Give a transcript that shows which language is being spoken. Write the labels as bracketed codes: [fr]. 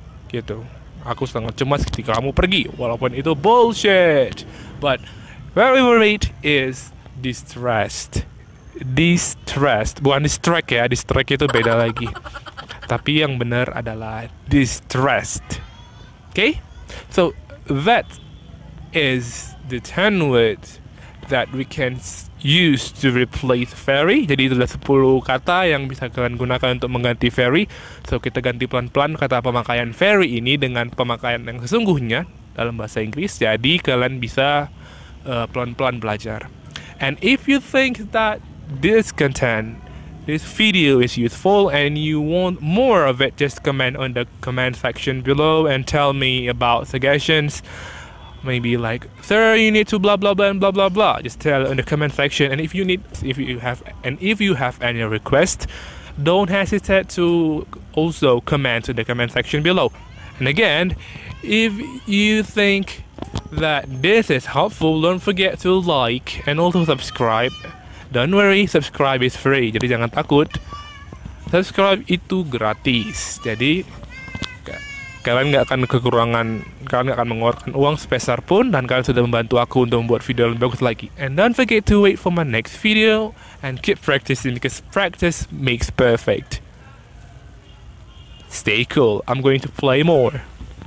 [id] Gitu. Aku sangat cemas ketika kamu pergi. Walaupun itu bullshit. [en] But Very worried is distressed. Distressed, [id] bukan distract ya. Distract itu beda lagi. Tapi yang benar adalah distressed. [en] Okay? So that is the 10 words that we can use to replace very. [id] Jadi itu adalah 10 kata yang bisa kalian gunakan untuk mengganti very. So kita ganti pelan-pelan kata pemakaian very ini dengan pemakaian yang sesungguhnya dalam bahasa Inggris. Jadi kalian bisa pelan-pelan belajar. [en] And if you think that this content, this video is useful and you want more of it, just comment on the comment section below and tell me about suggestions. Maybe like, sir, you need to blah blah blah and blah blah blah. Just tell in the comment section. And if you have any request, don't hesitate to also comment in the comment section below. And again, if you think that this is helpful, don't forget to like and also subscribe. Don't worry, subscribe is free. [id] Jadi jangan takut, subscribe itu gratis. Jadi kalian nggak akan kekurangan, kalian nggak akan mengeluarkan uang sebesar pun, dan kalian sudah membantu aku untuk membuat video yang lebih bagus lagi. [en] And don't forget to wait for my next video and keep practicing because practice makes perfect. Stay cool. I'm going to play more.